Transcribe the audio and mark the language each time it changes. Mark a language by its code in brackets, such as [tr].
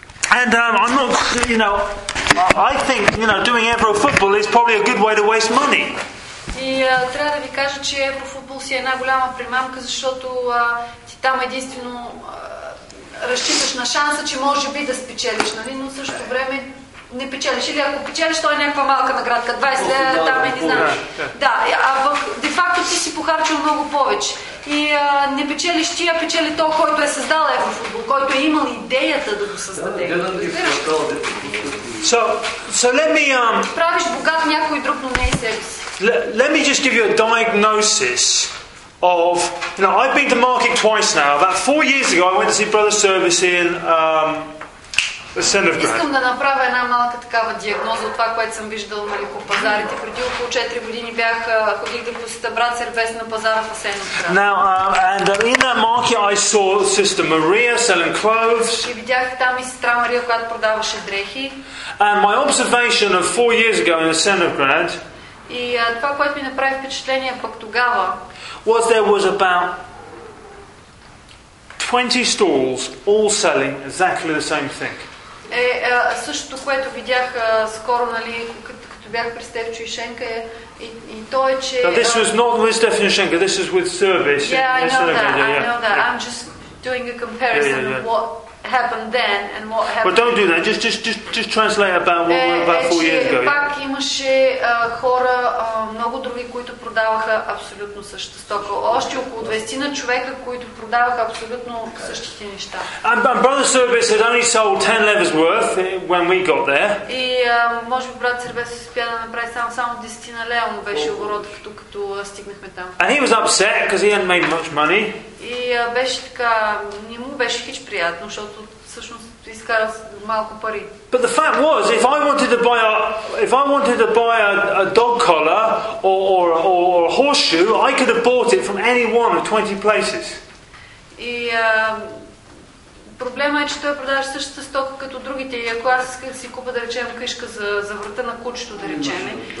[en] And I'm not, you know, I think, you know, doing Euro football is probably a good way to waste money. [bg] И трябва да ви кажа, че еврофутбол си е една голяма примамка, защото ти там единствено разчиташ на шанса, че може би да спечелиш, нали? Но в същото време не печелиш. Или ако печелиш, то е някаква малка наградка. 20 лева там и не знаеш. Да, а в де-факто ти си похарчил много повече. И не печелиш ти, а печели то, който е създал еврофутбол, който е имал идеята да го създаде. [en] So let me [bg] правиш богат някой друг, но не и себе си. [en] Let me just give you a diagnosis of, you know, I've been to market twice now. About 4 years ago, I went to see Brother Service in the center of Grand. [bg] Искам да направя една малка такава диагноза от това, което съм виждал нали, по пазарите. Преди около 4 години бях ходих да посетя брат Сервес на пазара в Асенов град. [en] Now, in that market, I saw Sister Maria selling clothes. [bg] И видях там и сестра Мария, която продаваше дрехи. [en] And my observation of 4 years ago in the center of Grand. [bg] И това, което ми направи впечатление пък тогава, [en] was there was about 20 stalls all selling exactly the same thing. [bg] Е, същото, което видях скоро, нали, като бях при Стефчо и Шенка, и то е, че... [en] Now this was not with Стефчо и Шенка, this is with Service. Yeah, I know that, I'm just doing a comparison of what... happened then and what happened. But don't do that. Just translate about what we were about 4 years ago. [bg] Пак имаше хора, много други, които продаваха абсолютно същата стока. Още около 20 на човека, които продаваха абсолютно същите неща. [en] And Brother Service had only sold 10 levers worth when we got there. [bg] И може би брат Сервес успя да направи само 10 лева му беше оборота, като стигнахме там. [en] And he was upset because he hadn't made much money. [bg] И беше така, не му беше хич приятно, защото всъщност изкара малко пари. [en] But the fact was, if I wanted to buy a dog collar or a horseshoe, I could have bought it from any one of 20 places. [bg] И проблема е, че той продаваше същата стока като другите. И ако аз исках да си купа, да речем, къшка за врата на кучето, да речем.